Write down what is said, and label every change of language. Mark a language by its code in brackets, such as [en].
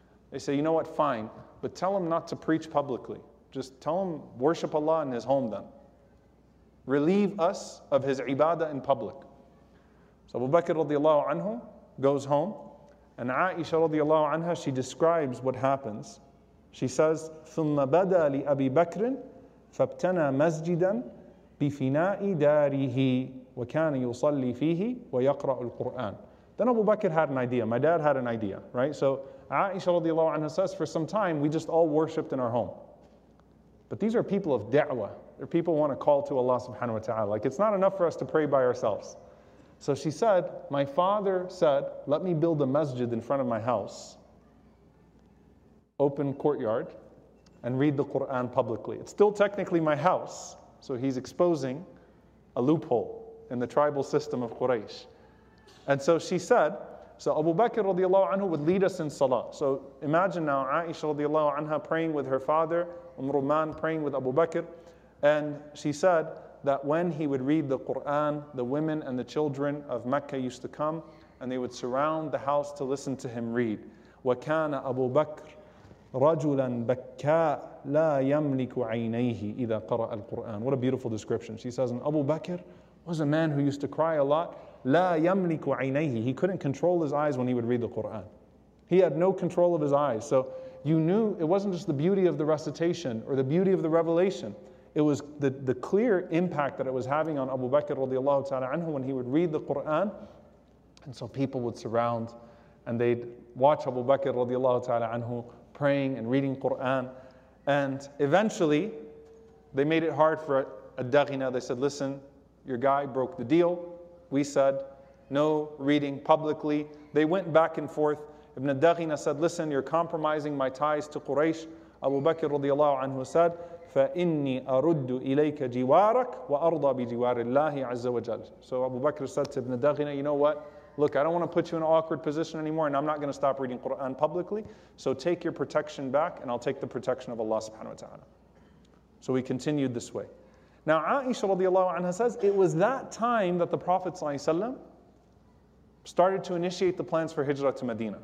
[en] They say, you know what, fine, but tell him not to preach publicly. Just tell him, worship Allah in his home then. Relieve us of his ibadah in public. So Abu Bakr radiallahu anhu goes home. And Aisha radiallahu anha, she describes what happens. She says, [ar] ثُمَّ بَدَى لِأَبِي بَكْرٍ فَابْتَنَى مَسْجِدًا بِفِنَاءِ دَارِهِ وَكَانَ يُصَلِّي فِيهِ وَيَقْرَأُ الْقُرْآنِ. [en] Then Abu Bakr had an idea. My dad had an idea, right? So Aisha radiallahu anha says, for some time, we just all worshipped in our home. But these are people of da'wah. They're people who want to call to Allah subhanahu wa ta'ala. Like, it's not enough for us to pray by ourselves. So she said, my father said, let me build a masjid in front of my house, open courtyard, and read the Quran publicly. It's still technically my house, so he's exposing a loophole in the tribal system of Quraysh. And so she said, so Abu Bakr radiallahu anhu would lead us in salah. So imagine now Aisha radiallahu anha praying with her father, Umm Ruman praying with Abu Bakr, and she said, that when he would read the Qur'an, the women and the children of Mecca used to come and they would surround the house to listen to him read. [ar] وَكَانَ أَبُو بَكْرٍ رجلا بكاء لا يملك عينيه إذا قرأ القرآن. [en] What a beautiful description. She says, and Abu Bakr was a man who used to cry a lot. [ar] لا يملك عينيه. [en] He couldn't control his eyes when he would read the Quran. He had no control of his eyes. So you knew it wasn't just the beauty of the recitation or the beauty of the revelation. It was the clear impact that it was having on Abu Bakr radiallahu ta'ala anhu when he would read the Quran. And so people would surround and they'd watch Abu Bakr radiallahu ta'ala anhu praying and reading Quran. And eventually they made it hard for Ad-Daghina. They said, listen, your guy broke the deal. We said, no reading publicly. They went back and forth. Ibn Ad-Daghina said, listen, you're compromising my ties to Quraysh. Abu Bakr radiallahu anhu said, [ar] فَإِنِّي أَرُدُّ إِلَيْكَ جِوَارَكَ وَأَرْضَى بِجِوَارِ اللَّهِ عَزَّ وَجَلَّ. [en] So Abu Bakr said to Ibn Ad-Daghina, you know what? Look, I don't want to put you in an awkward position anymore, and I'm not going to stop reading Quran publicly. So take your protection back, and I'll take the protection of Allah subhanahu wa ta'ala. So he continued this way. Now Aisha radiallahu anha says, it was that time that the Prophet started to initiate the plans for hijrah to Medina.